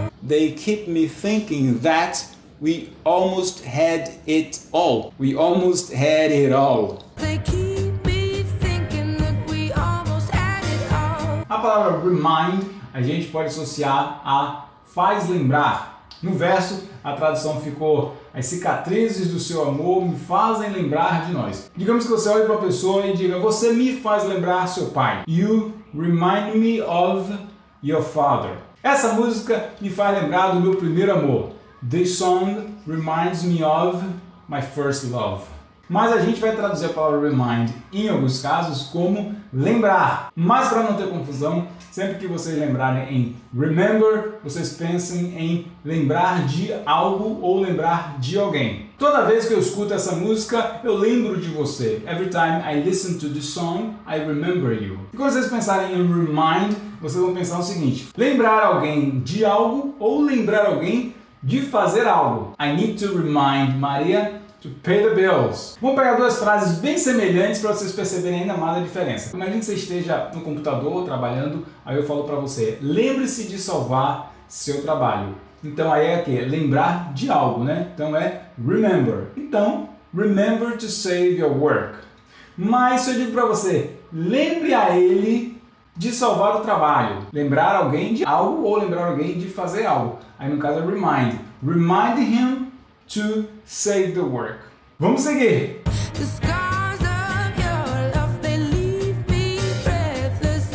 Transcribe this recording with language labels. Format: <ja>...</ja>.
<en>They keep me thinking that we almost had it all. We almost had it all. They keep me thinking that we almost</en> <pt>palavra remind a gente pode associar a faz lembrar. No verso, a tradução ficou: as cicatrizes do seu amor me fazem lembrar de nós. Digamos que você olhe para a pessoa e diga: você me faz lembrar seu pai.</pt> <en>You remind me of your father.</en> <pt>Essa música me faz lembrar do meu primeiro amor.</pt> <en>This song reminds me of my first love.</en> <pt>Mas a gente vai traduzir a palavra remind em alguns casos como lembrar. Mas para não ter confusão, sempre que vocês lembrarem em remember, vocês pensem em lembrar de algo ou lembrar de alguém. Toda vez que eu escuto essa música, eu lembro de você.</pt> <en>Every time I listen to this song, I remember you.</en> <pt>E quando vocês pensarem em remind, vocês vão pensar o seguinte: lembrar alguém de algo ou lembrar alguém de fazer algo.</pt> <en>I need to remind Maria to pay the bills.</en> <pt>Vou pegar duas frases bem semelhantes para vocês perceberem ainda mais a diferença. Imagine que você esteja no computador trabalhando, aí eu falo para você: lembre-se de salvar seu trabalho. Então aí é o quê? Lembrar de algo, né? Então é remember. Então,</pt> <en>remember to save your work.</en> <pt>Mas se eu digo para você: lembre a ele de salvar o trabalho. Lembrar alguém de algo ou lembrar alguém de fazer algo. Aí no caso é remind.</pt> <en>Remind him to save the work.</en> <pt>Vamos seguir!</pt> <en>The scars of your love, they leave me breathless.</en>